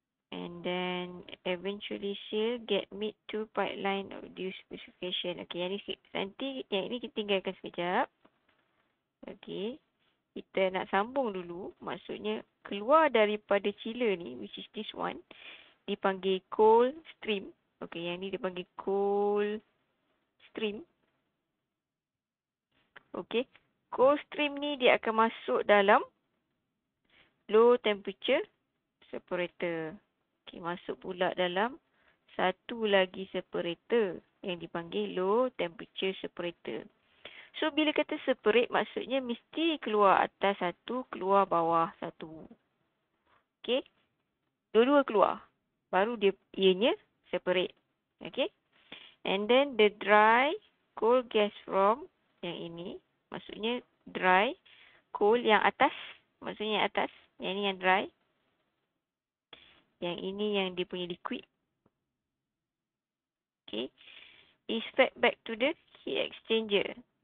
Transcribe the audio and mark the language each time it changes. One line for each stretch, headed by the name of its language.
English: And then eventually she'll get mid to pipeline of due specification.
Malay: Okey, yang ni nanti yang ini kita tinggalkan sekejap. Okey. Kita nak sambung dulu. Maksudnya keluar daripada chiller ni,
English: which is this one,
Malay: dipanggil cold stream. Okey, yang ni dipanggil cold stream. Okey. Cold stream ni dia akan masuk dalam low temperature separator. Okay, masuk pula dalam satu lagi separator yang dipanggil low temperature separator. So, bila kata separate, maksudnya mesti keluar atas satu, keluar bawah satu. Okay. Dua-dua keluar. Baru dia ianya separate. Okay.
English: And then, the dry cold gas from
Malay: yang ini. Maksudnya dry cold yang atas. Maksudnya yang atas. Yang ini yang dry. Yang ini yang dia punya liquid. Okay.
English: Is fed back to the heat exchanger.